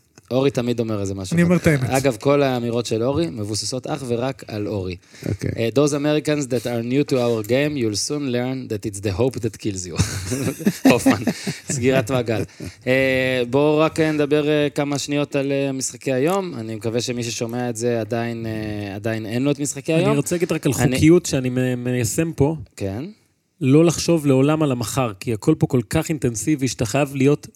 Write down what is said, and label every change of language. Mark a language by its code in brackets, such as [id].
[he] אורי תמיד אומר איזה משהו. אני אומר את האמת. אגב, כל האמירות של אורי מבוססות אך ורק על אורי. אוקיי. [en] Those Americans that are new to our game, you'll soon learn that it's the hope that kills you. [he] הופמן, סגירת מעגל. בואו רק נדבר כמה שניות על משחקי היום. אני מקווה שמי ששומע את זה עדיין אין לו את משחקי היום. אני רוצה להגיד רק על חוקיות שאני מיישם פה. כן. לא לחשוב לעולם על המחר, כי הכל פה כל כך אינטנסיבי, שאתה חייב להיות...